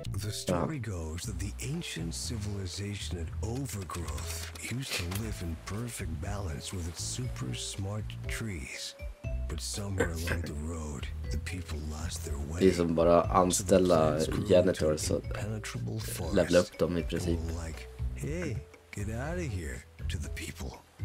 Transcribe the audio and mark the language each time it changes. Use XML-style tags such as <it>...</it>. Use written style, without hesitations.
<en>Story goes that the ancient civilization at Overgrowth used to live in perfect balance with its super smart trees. But somewhere along the road, the people lost their way.</en> <sv>De som bara anställa janitors så levlade upp dem i princip.</sv> <en>Like, hey, get out of here to the people.</en>